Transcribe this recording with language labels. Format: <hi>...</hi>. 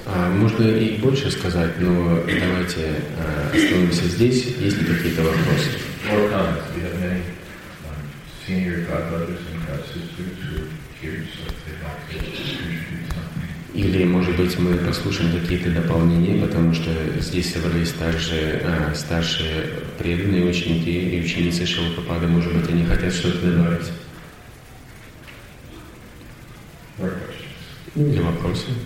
<ru>Можно и больше сказать, но давайте остановимся здесь, есть ли какие-то вопросы.</ru> <en>More comments. We have many senior godbrothers and godsisters who are here, so if they'd like to contribute something.</en> <ru>Или, может быть, мы послушаем какие-то дополнения, потому что здесь собрались также старшие преданные ученики и ученицы Шрилы Прабхупады. Может быть, они хотят что-то добавить. Или вопросы?</ru>